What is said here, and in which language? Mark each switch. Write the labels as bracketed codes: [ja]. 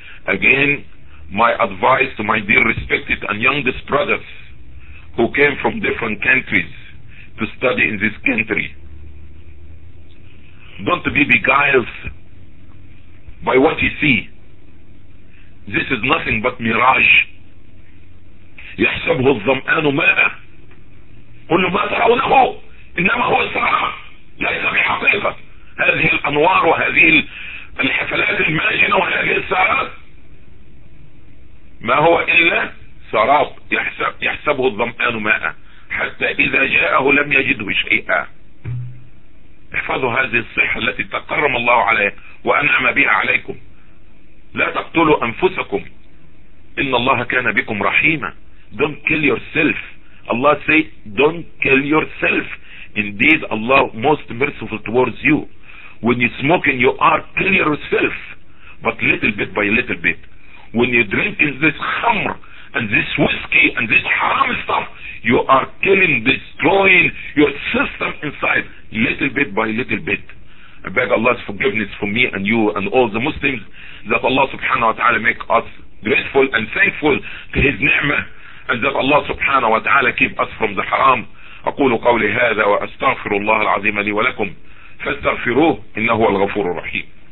[en] Again, my advice to my dear respected and youngest brothers who came from different countries to study in this country. Don't be beguiled by what you see. This is nothing but mirage. [ar] يحسبه الظمآن ماء كل ما ترونه إنما هو سراب ليس بحقيقة. هذه الأنوار وهذه الحفلات الماجنة وهذه السراب ما هو إلا سراب يحسبه الظمآن ماء حتى إذا جاءه لم يجده شيئا. احفظوا هذه الصحة التي تكرم الله عليه وأنعم بها عليكم. لا تقتلوا أنفسكم إن الله كان بكم رحيما. [en] Don't kill yourself. Allah say, don't kill yourself. Indeed, Allah most merciful towards you. When you smoking, you are killing yourself. But little bit by little bit. When you drinking this khamr and this whiskey and this haram stuff, you are killing, destroying your system inside. Little bit by little bit. I beg Allah's forgiveness for me and you and all the Muslims that Allah subhanahu wa ta'ala make us grateful and thankful to His ni'mah. And that Allah subhanahu wa ta'ala keep us from the haram. [ar] أقول قولي هذا وأستغفر الله العظيم لي ولكم فاستغفروه إنه هو الغفور الرحيم.